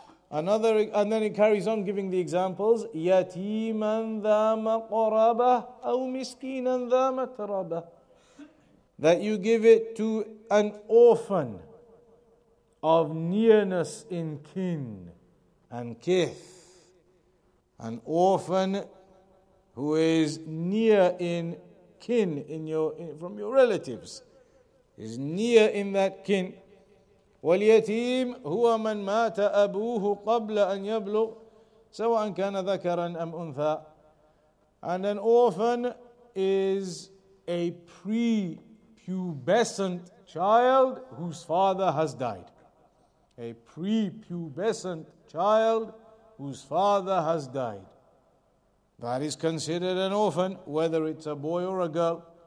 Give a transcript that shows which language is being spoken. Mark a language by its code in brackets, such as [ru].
[en] Another, and then it carries on giving the examples. [ar] يَتِيمًا ذَا مَقْرَبَةً أَوْ مِسْكِينًا ذَا مَتْرَبَةً [en] That you give it to an orphan of nearness in kin and kith. An orphan who is near in kin in your from your relatives. Is near in that kin. [ar] واليتيم هو من مات أبوه قبل أن يبلغ سواء كان ذكرا أم أنثى. [en] And an orphan is a prepubescent child whose father has died. A prepubescent child whose father has died. That is considered an orphan, whether it's a boy or a girl.